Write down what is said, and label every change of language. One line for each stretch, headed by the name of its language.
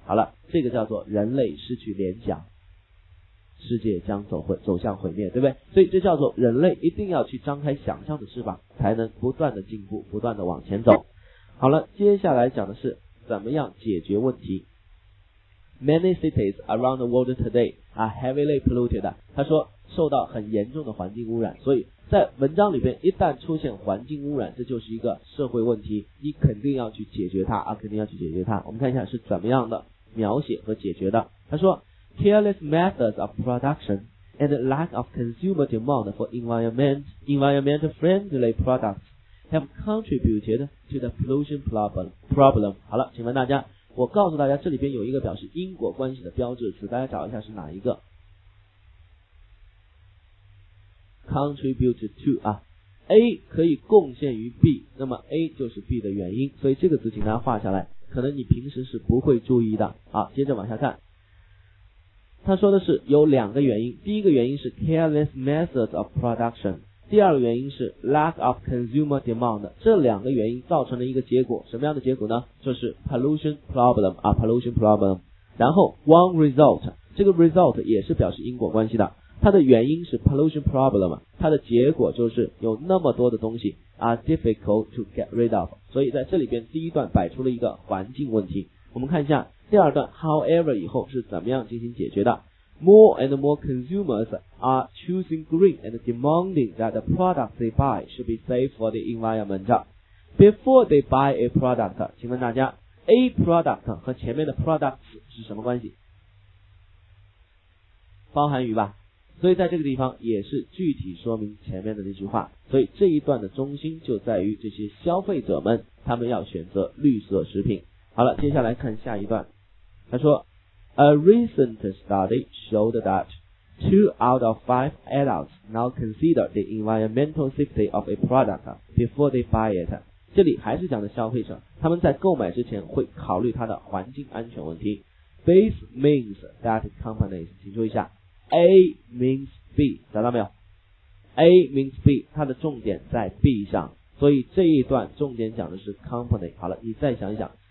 Chinese: 好了，这个叫做人类失去联想，世界将走向毁灭，对不对？所以这叫做人类一定要去张开想象的翅膀，才能不断的进步，不断的往前走。好了，接下来讲的是怎么样解决问题。
English: Many cities around the world today are heavily polluted.
Chinese: 他说受到很严重的环境污染，所以在文章里边，一旦出现环境污染，这就是一个社会问题，你肯定要去解决它啊，肯定要去解决它。我们看一下是怎么样的描写和解决的。他说
English: ，Careless methods of production and lack of consumer demand for environmental friendly products have contributed to the pollution problem.
Chinese: 好了，请问大家。我告诉大家，这里边有一个表示因果关系的标志词，大家找一下是哪一个 ？
English: Contribute to
Chinese: 啊 ，A 可以贡献于 B， 那么 A 就是 B 的原因，所以这个词请大家画下来，可能你平时是不会注意的。好，接着往下看，他说的是有两个原因，第一个原因是
English: careless methods of production，
Chinese: 第二个原因是
English: lack of consumer demand，
Chinese: 这两个原因造成了一个结果，什么样的结果呢？就是 pollution problem 啊 ，pollution problem。然后
English: one result，
Chinese: 这个 result 也是表示因果关系的，它的原因是 pollution problem， 它的结果就是有那么多的东西
English: are difficult to get rid of。
Chinese: 所以在这里边第一段摆出了一个环境问题。我们看一下第二段 however 以后是怎么样进行解决的。
English: More and more consumers are choosing green and demanding that the products they buy should be safe for the environment. Before they buy a product，
Chinese: 请问大家
English: ，A product
Chinese: 和前面的 products 是什么关系？包含语吧。所以在这个地方也是具体说明前面的那句话。所以这一段的中心就在于这些消费者们，他们要选择绿色食品。好了，接下来看下一段，他说。
English: A recent study showed that 2 out of 5 adults now consider the environmental safety of a product before they buy it.
Chinese: 这里还是讲的消费者，他们在购买之前会考虑它的环境安全问题。
English: This means that companies,
Chinese: 请注意一下
English: ,A means B,
Chinese: 找到没有
English: ?A means B,
Chinese: 它的重点在 B 上。所以这一段重点讲的是 company。好了，你再想一想。